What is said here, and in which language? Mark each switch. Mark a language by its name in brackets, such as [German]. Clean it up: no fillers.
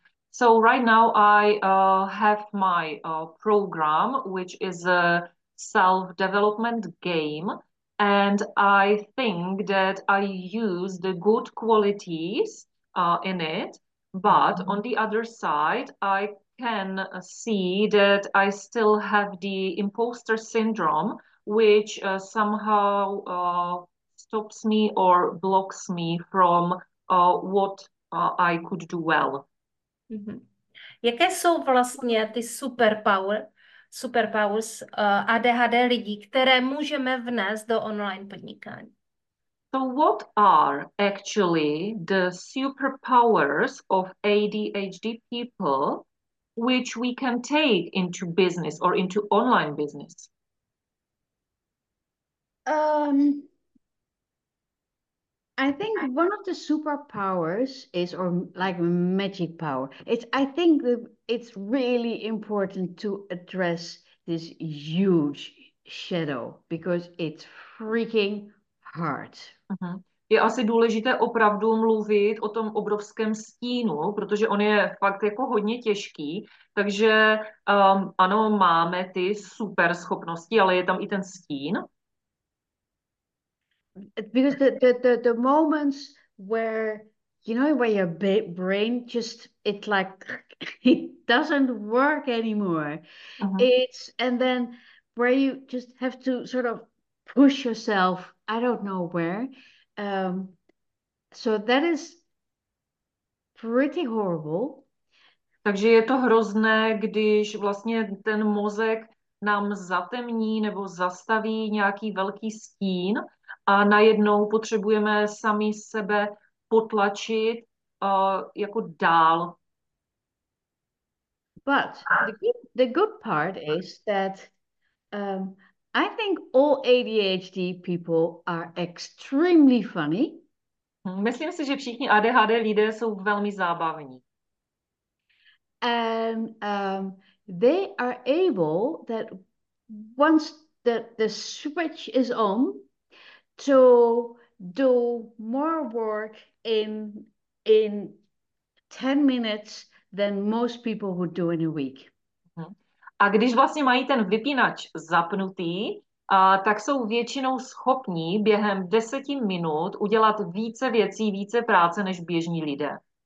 [English] So right now I have my program, which is a self-development game, and I think that I use the good qualities in it, but on the other side, I can see that I still have the imposter syndrome, which somehow stops me or blocks me from what I could do well. [Czech] Jaké jsou vlastně ty superpowers ADHD lidí, které můžeme vnést do online podnikání? [English] So what are actually the superpowers of ADHD people which we can take into business or into online business? I think one of the superpowers is, or like magic power, it's really important to address this huge shadow because it's freaking hard. [Czech] Je asi důležité opravdu mluvit o tom obrovském stínu, protože on je fakt jako hodně těžký. Takže ano, máme ty super schopnosti, ale je tam i ten stín. [English] Because the moments where, you know, where your brain just, it's like, it doesn't work anymore. It's, and then where you just have to sort of push yourself, I don't know where. So that is pretty horrible. [Czech] Takže je to hrozné, když vlastně ten mozek nám zatemní nebo zastaví nějaký velký stín, a najednou potřebujeme sami sebe potlačit jako dál. [English] But the good part is that I think all ADHD people are extremely funny. [Czech] Myslím si, že všichni ADHD lidé jsou velmi zábavní. [English] And they are able that once the switch is on, to do more work in 10 minutes than most people would do in a week. [Czech] A když vlastně mají ten vypínač zapnutý, tak jsou většinou schopní během 10 minut udělat více věcí, více práce než běžní lidé.